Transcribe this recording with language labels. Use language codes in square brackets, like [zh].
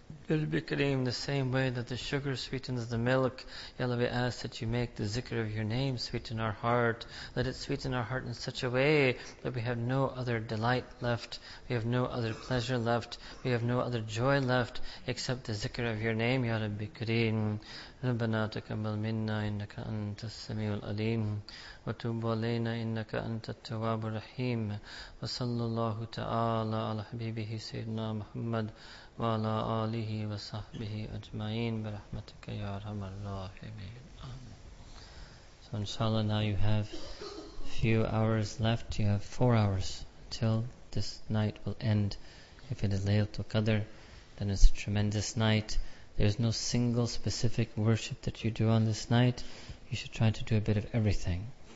[en] Bilbi Kareem, the same way that the sugar sweetens the milk, Yalla, we ask that you make the zikr of your name sweeten our heart. Let it sweeten our heart in such a way that we have no other delight left, we have no other pleasure left, we have no other joy left except the zikr of your name, Yalla, Bilbi Kareem. [ar] ربنا تقبل منا إنك أنت السميع العليم وتوب علينا إنك أنت التواب الرحيم وصلى الله تعالى على حبيبه سيدنا محمد وعلى آله وصحبه أجمعين برحمتك يا أرحم الراحمين آمين. [en] So inshallah, now you have few hours left. You have 4 hours till this night will end. If it is Laylatul Qadr, then it's a tremendous night. There's no single specific worship that you do on this night. You should try to do a bit of everything.